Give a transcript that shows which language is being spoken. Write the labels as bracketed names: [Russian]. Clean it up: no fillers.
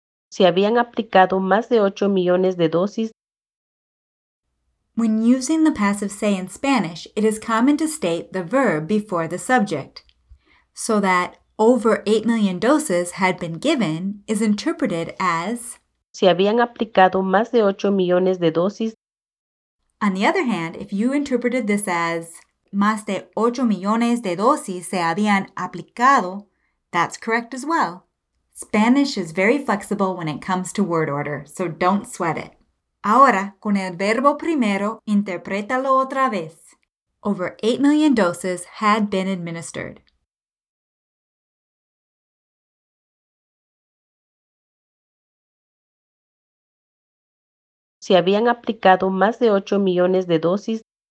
[Spanish] Se habían aplicado más de 8 millones de dosis. [English] When using the passive se in Spanish, it is common to state the verb before the subject, so that over 8 million doses had been given is interpreted as [Spanish] se habían aplicado más de 8 millones de dosis. [English] On the other hand, if you interpreted this as [Spanish] más de 8 millones de dosis se habían aplicado, [English] that's correct as well. Spanish is very flexible when it comes to word order, so don't sweat it. [Spanish] Ahora, con el verbo primero, interprétalo otra vez. [English] Over 8 million doses had been administered. [Spanish] Se habían aplicado más de 8 millones de dosis.